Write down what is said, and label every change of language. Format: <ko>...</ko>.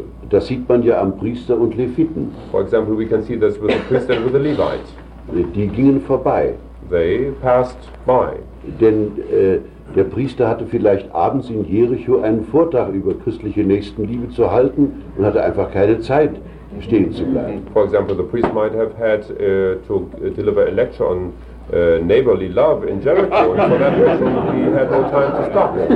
<de>Das sieht man ja am Priester und Leviten.</de> <en>For example, we can see this with the priest and with the Levite.</en> <de>Die gingen vorbei.</de> <en>They passed by.</en> <de>Denn der Priester hatte vielleicht abends in Jericho einen Vortrag über christliche Nächstenliebe zu halten und hatte einfach keine Zeit, stehen zu bleiben.</de> <en>For example, the priest might have had to deliver a lecture on neighborly love in Jericho, and for that reason he had no time to stop.</en>